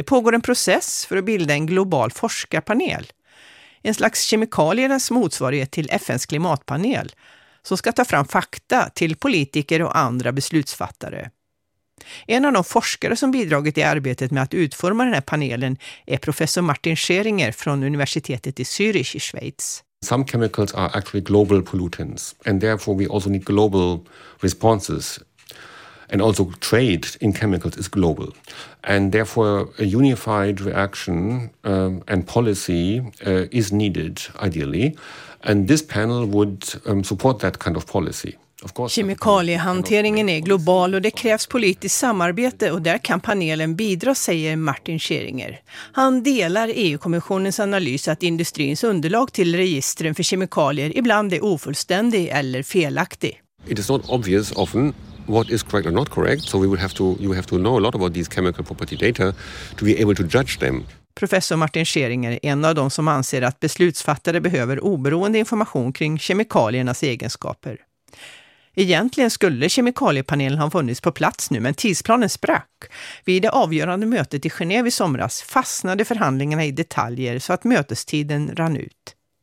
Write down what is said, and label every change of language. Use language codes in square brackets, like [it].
[sv] Det pågår en process för att bilda en global forskarpanel. En slags kemikaliernas motsvarighet till FNs klimatpanel som ska ta fram fakta till politiker och andra beslutsfattare. En av de forskare som bidragit i arbetet med att utforma den här panelen är professor Martin Scheringer från universitetet i Zürich i Schweiz. [en] Some chemicals are actually global pollutants and therefore we also need global responses. And also trade in chemicals is global. And therefore a unified reaction and policy is needed ideally. And this panel would support that kind of policy. [sv] Kemikaliehanteringen är global och det krävs politiskt samarbete och där kan panelen bidra, säger Martin Scheringer. Han delar EU-kommissionens analys att industrins underlag till registren för kemikalier ibland är ofullständig eller felaktig. [en] It is not obvious often what is correct or not correct, so you have to know a lot about these chemical property data to be able to judge them. [sv] Professor Martin Scheringer är en av de som anser att beslutsfattare behöver oberoende information kring kemikaliernas egenskaper. Egentligen skulle kemikaliepanelen ha funnits på plats nu, men tidsplanen sprack. Vid det avgörande mötet i Genève i somras fastnade förhandlingarna i detaljer så att mötestiden rann ut.